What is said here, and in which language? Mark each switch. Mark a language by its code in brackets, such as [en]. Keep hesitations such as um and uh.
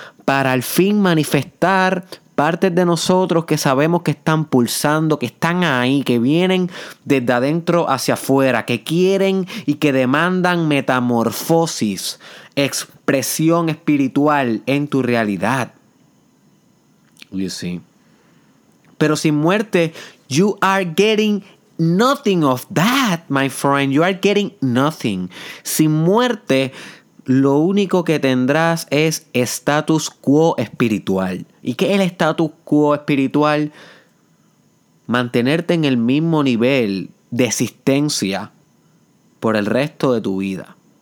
[es] para al fin manifestar partes de nosotros que sabemos que están pulsando, que están ahí, que vienen desde adentro hacia afuera, que quieren y que demandan metamorfosis, expresión espiritual en tu realidad. [en] You see. [es] Pero sin muerte, [en] you are getting nothing of that, my friend. You are getting nothing. [es] Sin muerte, lo único que tendrás es status quo espiritual. ¿Y qué es el status quo espiritual? Mantenerte en el mismo nivel de existencia por el resto de tu vida.